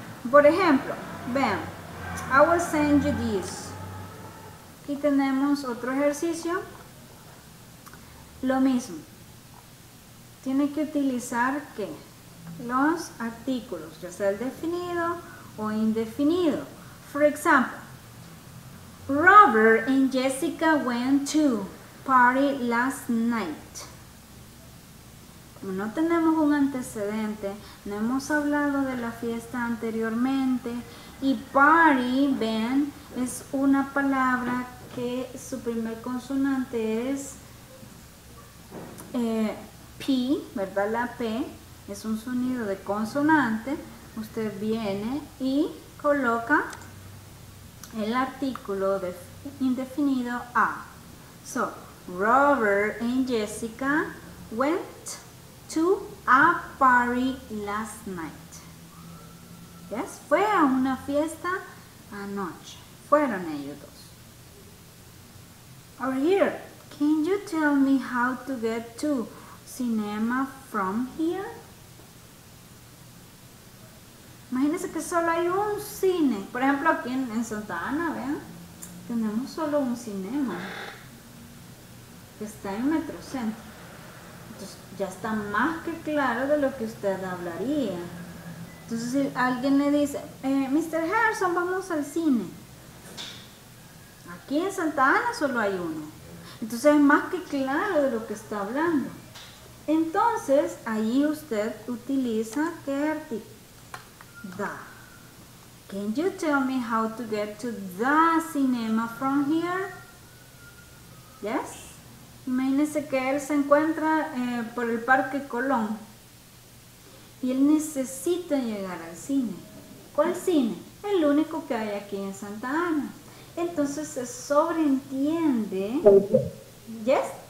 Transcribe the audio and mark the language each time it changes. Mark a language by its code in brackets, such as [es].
[es] Por ejemplo, vean, [en] I will send you this. [es] Aquí tenemos otro ejercicio. Lo mismo. Tiene que utilizar ¿qué? Los artículos, ya sea el definido o indefinido. [en] For example, Robert and Jessica went to party last night. [es] Como no tenemos un antecedente, no hemos hablado de la fiesta anteriormente, y party, ven, es una palabra que su primer consonante es P, ¿verdad? La P es un sonido de consonante. Usted viene y coloca el artículo de indefinido A. [en] So, Robert and Jessica went to a party last night. ¿Yes? [es] Fue a una fiesta anoche. Fueron ellos dos. [en] Over here, can you tell me how to get to cinema from here? [es] Imagínense que solo hay un cine. Por ejemplo, aquí en Santa Ana, vean, tenemos solo un cinema que está en Metrocentro. Entonces, ya está más que claro de lo que usted hablaría. Entonces, si alguien le dice, Mr. Harrison, vamos al cine. Aquí en Santa Ana solo hay uno. Entonces, es más que claro de lo que está hablando. Entonces, ahí usted utiliza ¿qué artículo? The. [en] Can you tell me how to get to the cinema from here? Yes? [es] Imagínese que él se encuentra por el Parque Colón. Y él necesita llegar al cine. ¿Cuál cine? El único que hay aquí en Santa Ana. Entonces, se sobreentiende. Yes?